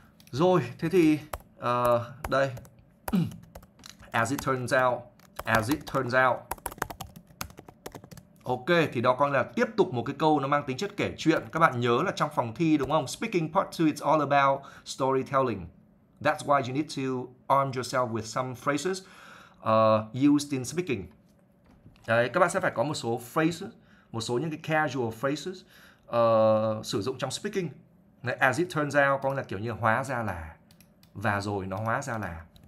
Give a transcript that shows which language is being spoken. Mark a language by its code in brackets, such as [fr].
[vi] Rồi, thế thì đây. [en] As it turns out. [vi] Ok, thì đó coi là tiếp tục một cái câu nó mang tính chất kể chuyện. Các bạn nhớ là trong phòng thi đúng không? [en] Speaking part 2, it's all about storytelling. That's why you need to arm yourself with some phrases used in speaking. [vi] Đấy, các bạn sẽ phải có một số phrases, một số những cái casual phrases sử dụng trong speaking. Đấy, [en] as it turns out, [vi] có nghĩa là kiểu như hóa ra là, và rồi nó hóa ra là.